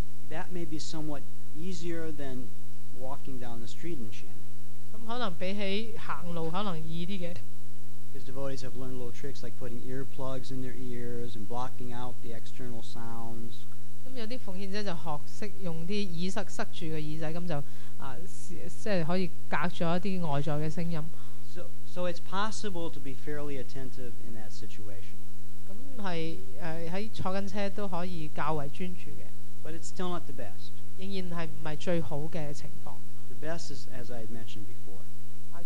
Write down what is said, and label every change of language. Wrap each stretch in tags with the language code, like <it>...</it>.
<en>That may be somewhat easier than walking down the street and chanting.</en> <yue>咁可能比起行路可能易啲嘅。</yue> <en>his devotees have learned little tricks like putting earplugs in their ears and blocking out the external sounds.</en> <yue>有啲奉獻者就學識用啲耳塞塞住個耳仔，咁就即係可以隔咗一啲外在嘅聲音。</yue> <en>So it's possible to be fairly attentive in that situation.</en> <yue>咁係喺坐緊車都可以較為專注嘅。</yue> <en>But it's still not the best.</en> <yue>仍然係唔係最好嘅情況。</yue> <en>The best is as I had mentioned before.</en>